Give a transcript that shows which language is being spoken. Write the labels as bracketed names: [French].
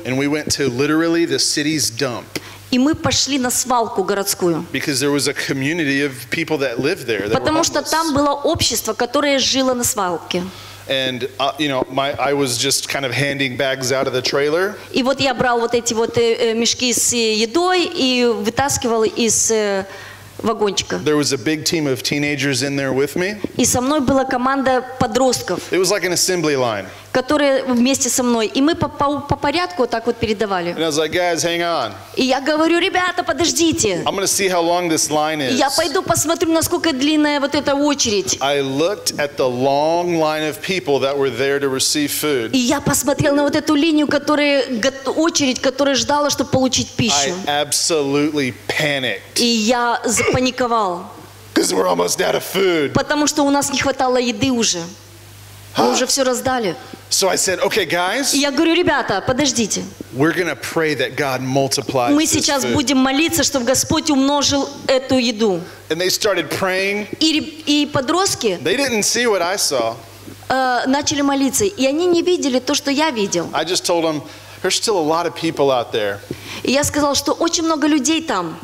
[English] And we went to literally the city's dump. [Russian] И мы пошли на свалку городскую. [English] Because there was a community of people that lived there. [Russian] Потому что там было общество, которое жило на свалке. [English] And you know, I was just kind of handing bags out of the trailer. [Russian] И вот я брал вот эти вот мешки с едой и вытаскивал из вагончика. [English] There was a big team of teenagers in there with me. [Russian] И со мной была команда подростков. [English] It was like an assembly line. [Russian] Которые вместе со мной. И мы по порядку так вот передавали. [English] And I was like, guys, hang on. [Russian] И я говорю, ребята, подождите. [English] I'm gonna see how long this line is. [Russian] Я пойду посмотрю, насколько длинная вот эта очередь. [English] I looked at the long line of people that were there to receive food. [Russian] И я посмотрел на вот эту линию, очередь, которая ждала, чтобы получить пищу. [English] I absolutely panicked. [Russian] И я запаниковал. [English] Because we're almost out of food. [Russian] Потому что у нас не хватало еды уже. Мы уже все раздали. [English] So I said, okay, guys. [Russian] Я говорю, ребята, подождите. [English] We're gonna pray that God multiplies. [Russian] Мы сейчас будем молиться, чтобы Господь умножил эту еду. [English] And they started praying. [Russian] И подростки. [English] They didn't see what I saw. [Russian] Начали молиться, и они не видели то, что я видел. [English] I just told them, there's still a lot of people out there. [Russian] И я сказал, что очень много людей там.